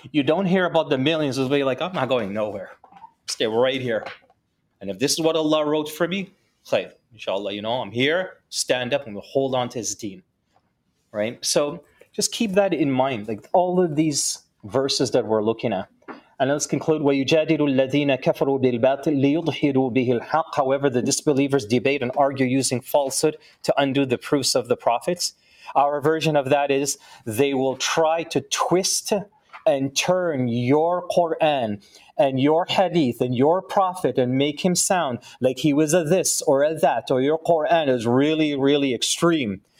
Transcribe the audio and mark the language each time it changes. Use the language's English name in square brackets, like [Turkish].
[English] You don't hear about the millions of people like, I'm not going nowhere. Stay right here. And if this is what Allah wrote for me, okay, inshallah, you know, I'm here, stand up, and we'll hold on to his deen. Right? So just keep that in mind, like all of these verses that we're looking at. And let's conclude, [Arabic] وَيُجَادِلُ الَّذِينَ كَفَرُوا بِالْبَاطِلِ لِيُضْحِرُوا بِهِ الْحَقِّ. [English] However, the disbelievers debate and argue using falsehood to undo the proofs of the prophets. Our version of that is, they will try to twist and turn your Quran and your hadith and your prophet and make him sound like he was a this or a that, or your Quran is really, really extreme.